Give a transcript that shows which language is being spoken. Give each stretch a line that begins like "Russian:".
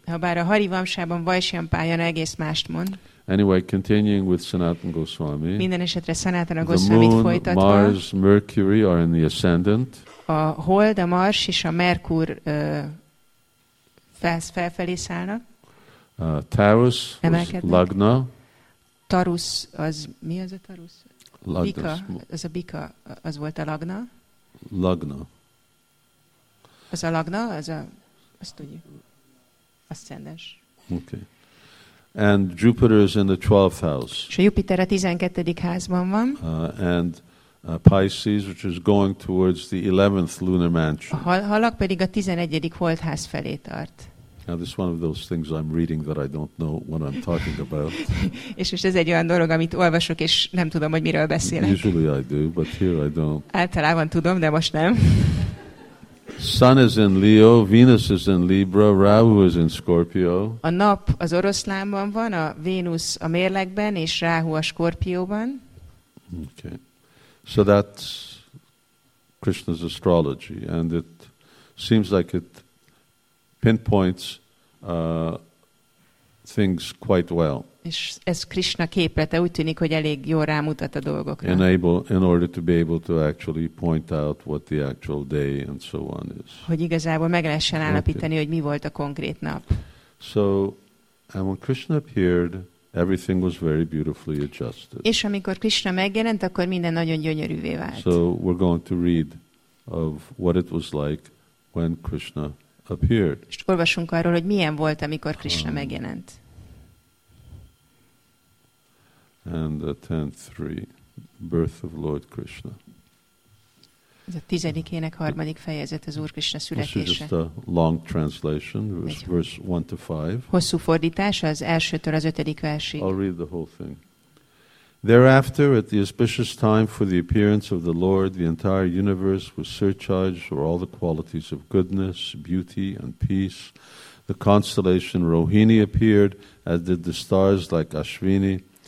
Hungarian: Habár a Harivamsában Vaishampayana egész mást mond.
English: Anyway, continuing with Sanatana Goswami,
Hungarian: minden esetre Sanatana
English: Goswami, the moon, Mars, Mercury are in the ascendant.
Hungarian: A hold, a Mars és a Merkur felfelé szállnak.
English: Taurus, Lagna.
Hungarian: Taurus, az mi az a Taurus?
English: Lagna.
Hungarian: Az a Bika, az volt a Lagna.
English: Lagna.
Hungarian: Az a Lagna, az a, azt tudjuk, ascendens. Okay.
English: And Jupiter is in the 12th house.
Hungarian: És a Jupiter a 12. házban van.
English: Pisces, which is going towards the 11th lunar mansion.
Hungarian: A halak pedig a 11. holdház felé tart.
English: Now this is one of those things I'm reading that I don't know what I'm talking about.
Hungarian: És most ez egy olyan dolog, amit olvasok, és nem tudom, hogy miről beszélek.
English: Usually I do, but here I don't.
Hungarian: Általában tudom, de most nem.
English: Sun is in Leo, Venus is in Libra, Rahu is in Scorpio.
Hungarian: A nap az oroszlánban van, a Vénusz a mérlegben, és Rahu a Skorpióban. Okay.
English: So that's Krishna's astrology, and it seems like it pinpoints things quite well.
Hungarian: És ez Krishna képlete, úgy tűnik, hogy elég jól rámutat a dolgokra.
English: In order to be able to actually point out what the actual day and so on is.
Hungarian: Hogy igazából meg lehessen állapítani, okay, hogy mi volt a konkrét nap.
English: So, and when Krishna appeared, everything was very beautifully adjusted.
Hungarian: És amikor Krishna megjelent, akkor minden nagyon gyönyörűvé vált.
English: So, we're going to read of what it was like when Krishna appeared.
Hungarian: És olvasunk arról, hogy milyen volt, amikor Krishna megjelent.
English: And the 10th, birth of Lord Krishna.
Hungarian: Ez a tizedikének harmadik fejezet, az Úr Krishna születése.
English: This is just a long translation, verse 1-5.
Hungarian: Hosszú fordítás, az elsőtől az ötödik versig.
English: I'll read the whole thing. Thereafter, at the auspicious time for the appearance of the Lord, the entire universe was surcharged for all the qualities of goodness, beauty, and peace. The constellation Rohini appeared, as did the stars like Ashvini.